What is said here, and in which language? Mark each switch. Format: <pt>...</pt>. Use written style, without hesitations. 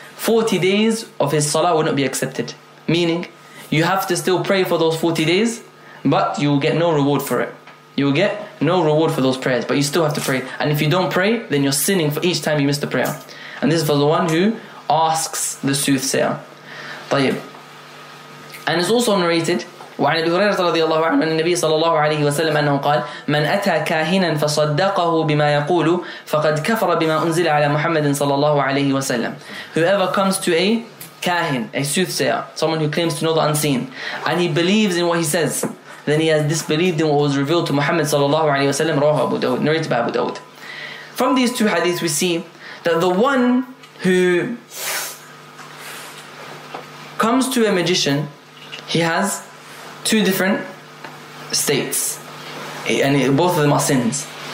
<en>40 days of his salah will not be accepted. Meaning, you have to still pray for those 40 days, but you will get no reward for it. You will get no reward for those prayers, but you still have to pray. And if you don't pray, then you're sinning for each time you miss the prayer. And this is for the one who asks the soothsayer.</en> <ar>طيب.</ar> <en>And it's also narrated,</en> <ar>وعن أبي هريرة رضي الله عنه أن النبي صلى الله عليه وسلم أنه قال من أتى كاهنا فصدقه بما يقول فقد كفر بما أنزل على محمد صلى الله عليه وسلم.</ar> <en>Whoever comes to a kahin, a soothsayer, someone who claims to know the unseen, and he believes in what he says, then he has disbelieved in what was revealed to Muhammad</en> <ar>صلى الله عليه وسلم. رواه أبو داود,</ar> <en>narrated by Abu Dawud. From these two hadiths we see that the one who comes to a magician, he has two different states, and both of them are sins.</en>